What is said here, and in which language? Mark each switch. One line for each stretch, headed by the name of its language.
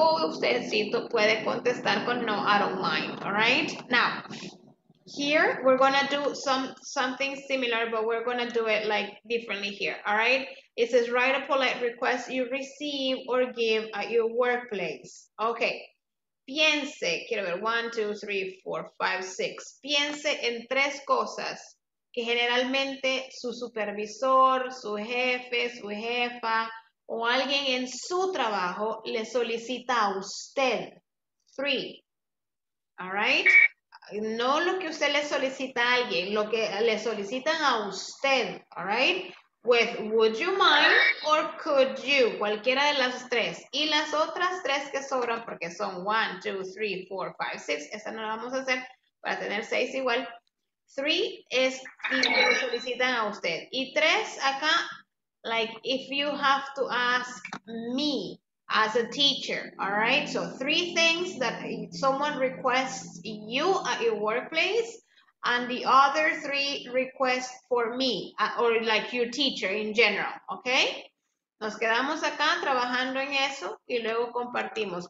English: Oh,
Spanish: ustedcito puede contestar con
English: no, I don't mind. All right. Now, here we're going to do something similar, but we're going to do it like differently here. All right. It says write a polite request you receive or give at your workplace.
Spanish: Okay. Piense, quiero ver, 1, 2, 3, 4, 5, 6. Piense en tres cosas que generalmente su supervisor, su jefe, su jefa o alguien en su trabajo le solicita a usted. 3.
English: All right?
Spanish: No lo que usted le solicita a alguien, lo que le solicitan a usted.
English: All right? With would you mind or could you,
Spanish: cualquiera de las tres. Y las otras tres que sobran, porque son 1, 2, 3, 4, 5, 6, esa no la vamos a hacer, para tener 6 igual. 3 es si lo solicitan a usted. Y 3 acá,
English: like if you have to ask me as a teacher, all right? So 3 things that someone requests you at your workplace, and the other 3 requests for me, or like your teacher in general, okay?
Spanish: Nos quedamos acá trabajando en eso y luego compartimos.